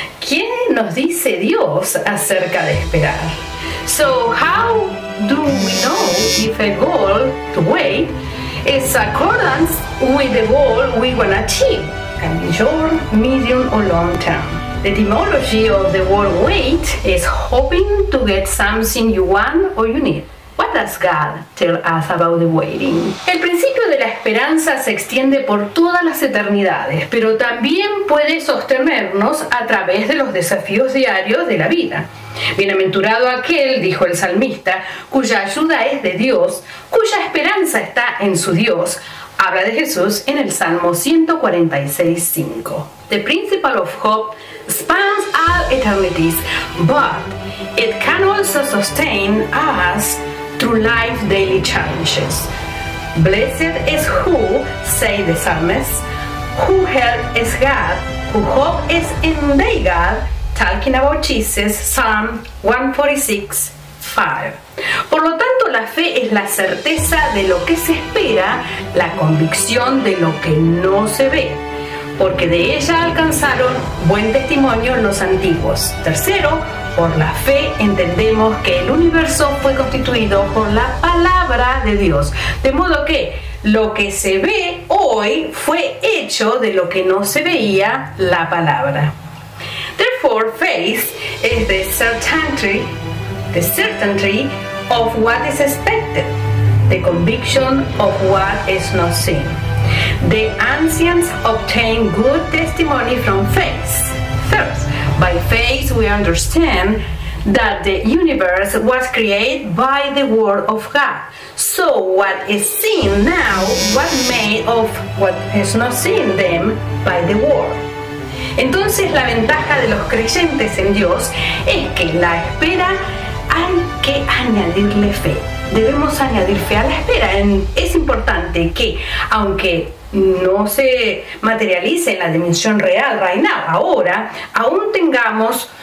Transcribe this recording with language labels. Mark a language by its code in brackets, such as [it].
[es] ¿Qué nos dice Dios acerca de esperar? [en] So, how do we know if a goal to wait is accordance with the goal we want to achieve? Can be short, medium or long term. The etymology of the word wait is hoping to get something you want or you need. What does God tell us about the waiting? [es] El principio de la esperanza se extiende por todas las eternidades, pero también puede sostenernos a través de los desafíos diarios de la vida. Bienaventurado aquel, dijo el salmista, cuya ayuda es de Dios, cuya esperanza está en su Dios. Habla de Jesús en el Salmo 146:5. [en] The principle of hope spans all eternities, but it can also sustain us through life's daily challenges. Blessed is who, say the psalmist, who help is God, who hope is in thy God, talking about Jesus, Psalm 146:5. [es] Por lo tanto, la fe es la certeza de lo que se espera, la convicción de lo que no se ve, porque de ella alcanzaron buen testimonio los antiguos. Tercero, por la fe entendemos que el universo fue constituido por la palabra de Dios, de modo que lo que se ve hoy fue hecho de lo que no se veía, la palabra. [en] Therefore, faith is the certainty of what is expected, the conviction of what is not seen. The ancients obtained good testimony from faith. First, by faith we understand that the universe was created by the word of God. So what is seen now was made of what is not seen then by the word. [es] Entonces la ventaja de los creyentes en Dios es que la espera hay que añadirle fe. Debemos añadir fe a la espera. Es importante que, aunque no se materialice en la dimensión real [en] right now, [es] ahora, aún tengamos